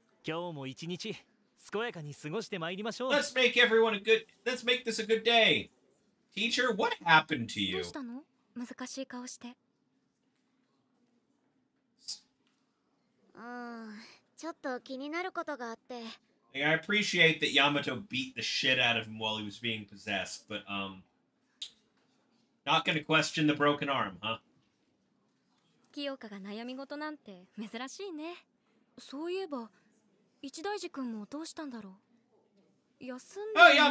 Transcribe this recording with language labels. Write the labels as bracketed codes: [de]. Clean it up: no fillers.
[ja] 何か皆さんとは久々に会ったかのように感じてしまいますが、今日も一日健やかに過ごしてまいりましょう。 [en] Let's make everyone a good. Let's make this a good day. Teacher, what happened to you? [ja] どうしたの？難しい顔して。ちょっと気になることがあって。 [en] Like, I appreciate that Yamato beat the shit out of him while he was being possessed, but not gonna question the broken arm, huh? [ja] キヨカが悩み事なんて珍しいね。そういえば、一大寺君もどうしたんだろう。休んで。Oh,